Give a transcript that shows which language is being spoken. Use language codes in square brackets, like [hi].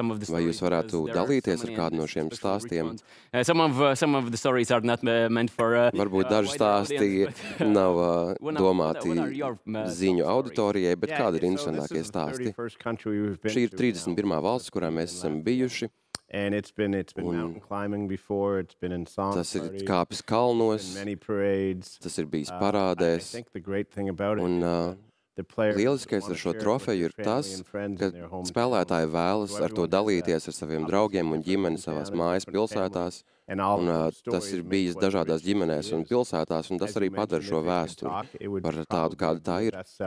[lv] Vai jūs varētu dalīties ar kādu no šiem stāstiem? Varbūt daži stāsti nav domāti ziņu auditorijai, bet kāda ir interesantākie stāsti? Šī ir 31. Valsts, kurā mēs esam bijuši. [en] And it's been mountain climbing before, it's been in song [lv] tas ir kāpis kalnos, [en] many parades, [lv] tas ir bijis parādēs. [en] I think the great thing about it [lv] un lieliskais ar šo trofeju ir tas, ka spēlētāji vēlas ar to dalīties ar saviem draugiem un ģimeni savās mājas pilsētās. Un tas ir bijis dažādās ģimenēs un pilsētās, un tas arī padara šo vēsturi par tādu, kāda tā ir.